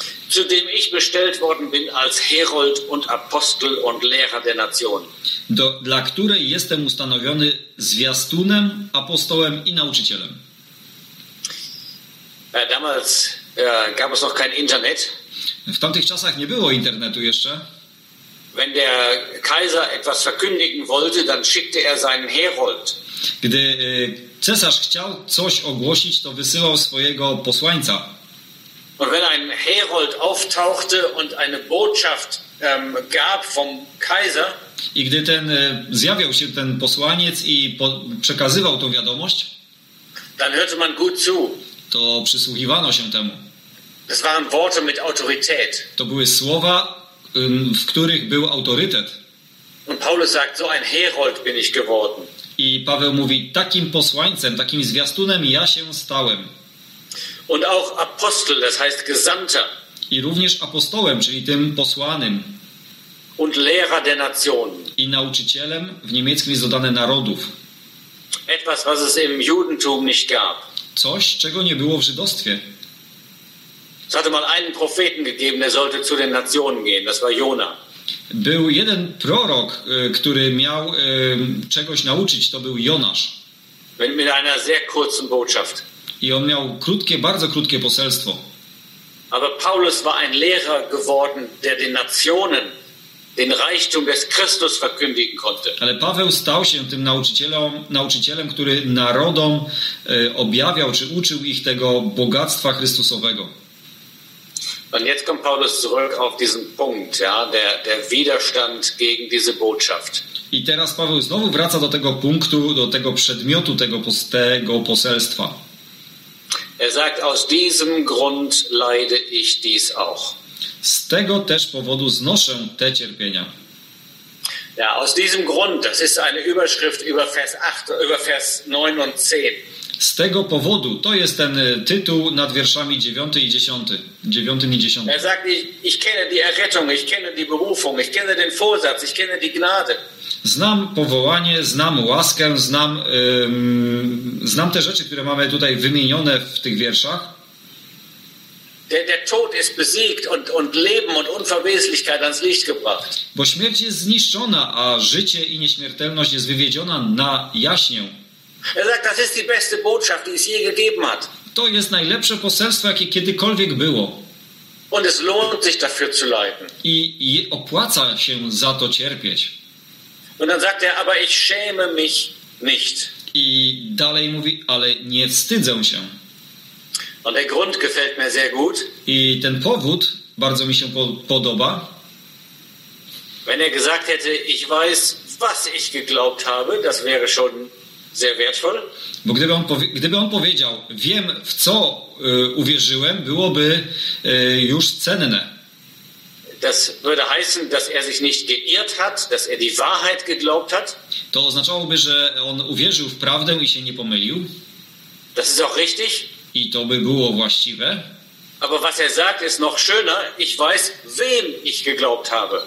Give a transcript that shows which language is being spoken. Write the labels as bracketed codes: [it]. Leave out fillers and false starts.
[de] Zu dem ich bestellt worden bin als Herold und Apostel und Lehrer der Nationen. [pl] Dla której jestem ustanowiony zwiastunem, apostołem i nauczycielem. [de] Damals gab es noch kein Internet. [pl] W tamtych czasach nie było internetu jeszcze. [de] Wenn der Kaiser etwas verkündigen wollte, dann schickte er seinen Herold. [pl] Gdy cesarz chciał coś ogłosić, to wysyłał swojego posłańca. [de] Und wenn ein Herold auftauchte und eine Botschaft gab vom Kaiser. [pl] I gdy ten zjawiał się ten posłaniec i przekazywał tą wiadomość, [de] dann hörte man gut zu. [pl] To przysłuchiwano się temu. [de] Das waren Worte mit Autorität. [pl] To były słowa, w których był autorytet. [de] Und Paulus sagt, so ein Herold bin ich geworden. [pl] I Paweł mówi, takim posłańcem, takim zwiastunem ja się stałem. [de] Und auch Apostel, das heißt Gesandter. [pl] I również apostołem, czyli tym posłanym. [de] Und Lehrer der Nationen. [pl] I nauczycielem, w niemieckim jest dodane narodów. [de] Etwas, was es im Judentum nicht gab. [pl] Coś, czego nie było w żydostwie. [de] Es hatte mal einen Propheten gegeben, der sollte zu den Nationen gehen. Das war Jona. [pl] Był jeden prorok, który miał czegoś nauczyć. To był Jonasz. [de] Mit einer sehr kurzen Botschaft. [pl] I on miał krótkie, bardzo krótkie poselstwo. [de] Aber Paulus war ein Lehrer geworden, der den Nationen den Reichtum des Christus verkündigen konnte. [pl] Ale Paweł stał się tym nauczycielem, który narodom objawiał czy uczył ich tego bogactwa Chrystusowego. [de] Und jetzt kommt Paulus zurück auf diesen Punkt, ja, der Widerstand gegen diese Botschaft. [pl] I teraz Paweł znowu wraca do tego punktu, do tego przedmiotu tego poselstwa. [de] Er sagt, aus diesem Grund leide ich dies auch. [pl] Z tego też powodu znoszę te cierpienia. [de] Ja, aus diesem Grund, das ist eine Überschrift über Vers 8, über Vers 9 und 10. [pl] Z tego powodu, to jest ten tytuł nad wierszami 9 i 10. [de] Er sagt, ich kenne die Errettung, ich kenne die Berufung, ich kenne den Vorsatz, ich kenne die Gnade. [pl] Znam powołanie, znam łaskę, znam te rzeczy, które mamy tutaj wymienione w tych wierszach. [de] Der Tod ist besiegt und Leben und Unverweslichkeit ans Licht gebracht. [pl] Bo śmierć jest zniszczona, a życie i nieśmiertelność jest wywiedziona na jaśnię. [de] Er sagt, das ist die beste Botschaft, die es je gegeben hat. [pl] To jest najlepsze poselstwo, jakie kiedykolwiek było. [de] Und es lohnt sich dafür zu leiden. [pl] I opłaca się za to cierpieć. [de] Und dann sagt er, aber ich schäme mich nicht. [pl] I dalej mówi, ale nie wstydzę się. [de] Und der Grund gefällt mir sehr gut. [pl] I ten powód bardzo mi się podoba. [de] Wenn er gesagt hätte, ich weiß, was ich geglaubt habe, das wäre schon sehr wertvoll. [pl] Bo gdyby on powiedział, wiem w co uwierzyłem, byłoby już cenne. [de] Das würde heißen, dass er sich nicht geirrt hat, dass er die Wahrheit geglaubt hat. [pl] To oznaczałoby, że on uwierzył w prawdę i się nie pomylił. [de] Das ist auch richtig. [pl] I to by było właściwe. [de] Aber was er sagt ist noch schöner. Ich weiß, wem ich geglaubt habe.